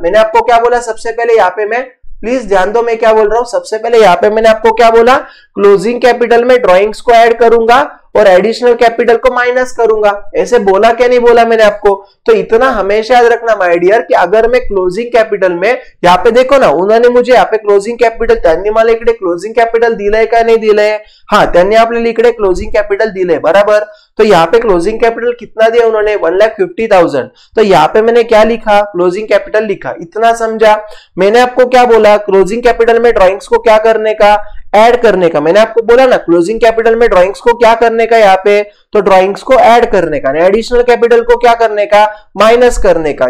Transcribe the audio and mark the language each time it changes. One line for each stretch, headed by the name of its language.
Hindi: मैंने आपको क्या बोला, सबसे पहले यहाँ पे मैं, प्लीज ध्यान दो मैं क्या बोल रहा हूँ, सबसे पहले यहाँ पे मैंने आपको क्या बोला, क्लोजिंग कैपिटल में ड्रॉइंग्स को ऐड करूंगा और एडिशनल कैपिटल को माइनस करूंगा। ऐसे बोला क्या नहीं बोला मैंने आपको? तो इतना हमेशा याद रखना माय डियर कि अगर मैं क्लोजिंग कैपिटल में, यहाँ पे देखो ना, उन्होंने मुझे यहाँ पे क्लोजिंग कैपिटल
Marathi: त्यांनी मला इकडे क्लोजिंग कैपिटल दिलाय
Hindi: का नहीं दिलाय?
Marathi: हाँ, त्यांनी आपल्याला इकडे क्लोजिंग कैपिटल दिलाय, बराबर।
Hindi: तो यहाँ पे क्लोजिंग कैपिटल कितना दिया उन्होंने, 1,50,000। तो यहाँ पे मैंने क्या लिखा, क्लोजिंग कैपिटल लिखा, इतना समझा। मैंने आपको क्या बोला, क्लोजिंग कैपिटल में ड्रॉइंग्स को क्या करने का, ऐड करने का। मैंने आपको बोला ना क्लोजिंग कैपिटल में ड्रॉइंग्स को क्या करने का यहाँ पे, तो ड्रॉइंग्स को ऐड करने का, एडिशनल कैपिटल को क्या करने का, माइनस करने का।